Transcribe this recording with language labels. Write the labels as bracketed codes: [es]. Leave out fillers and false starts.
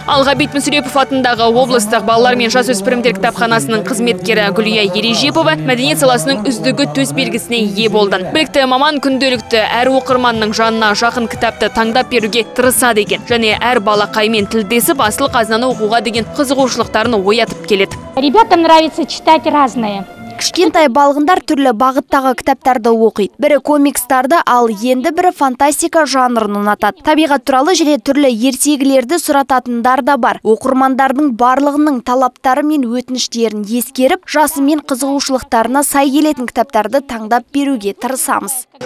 [kk] Ал Ғабит Мүсірепов атындағы облыстық балалар мен жасөспірімдер кітапханасының қызметкері Гүлия Ережепова мәдениет саласының үздігі төс белгісіне ие болды. Білікті маман күнделікті әр оқырманның жанына жақын кітапты таңдап беруге тырысады екен және әр балақаймен тілдесіп асыл қазынаны оқуға деген қызығушылықтарын оятып келеді. [ru] Ребятам нравится читать разные. [kk] Кішкентай балғындар түрлі бағыттағы кітаптарды оқиды. Бірі комикстарды, ал енді бірі фантастика жанрын ұнатады. Табиғат туралы және түрлі ертегілерді сұрататындар да бар. Оқырмандардың барлығының талаптары мен өтініштерін ескеріп, жасы мен қызығушылықтарына сай келетін кітаптарды таңдап беруге тырысамыз.